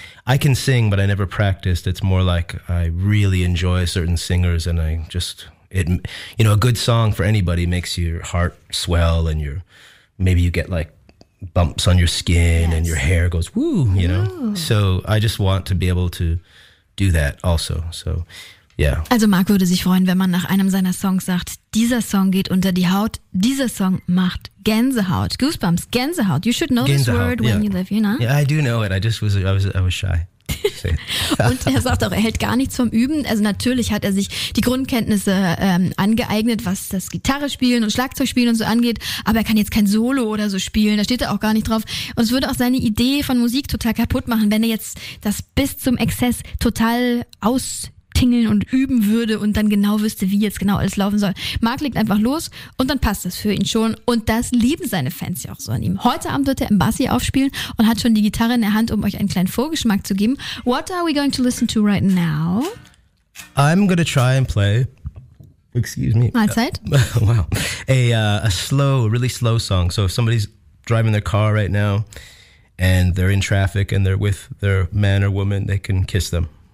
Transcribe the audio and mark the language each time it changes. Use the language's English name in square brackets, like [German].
[English] I can sing, but I never practiced. It's more like I really enjoy certain singers and I just, it, you know, a good song for anybody makes your heart swell and your, maybe you get like bumps on your skin yes. and your hair goes, woo, you know? Ooh. So I just want to be able to do that also. So, yeah. [German] Also Mark würde sich freuen, wenn man nach einem seiner Songs sagt, dieser Song geht unter die Haut, dieser Song macht Gänsehaut, Goosebumps, Gänsehaut. [English] You should know [German] Gänsehaut, [English] this word yeah. when you live, you know? Yeah, I do know it. I was shy. [German] Und er sagt auch, er hält gar nichts vom Üben. Also natürlich hat er sich die Grundkenntnisse angeeignet, was das Gitarrespielen und Schlagzeugspielen und so angeht. Aber er kann jetzt kein Solo oder so spielen. Da steht er auch gar nicht drauf. Und es würde auch seine Idee von Musik total kaputt machen, wenn er jetzt das bis zum Exzess total austingeln und üben würde und dann genau wüsste, wie jetzt genau alles laufen soll. Marc legt einfach los und dann passt das für ihn schon. Und das lieben seine Fans ja auch so an ihm. Heute Abend wird er im Bassi aufspielen und hat schon die Gitarre in der Hand, um euch einen kleinen Vorgeschmack zu geben. [English] What are we going to listen to right now? I'm going to try and play, excuse me. [German] Mahlzeit. [English] Wow. A slow, really slow song. So if somebody's driving their car right now and they're in traffic and they're with their man or woman, they can kiss them.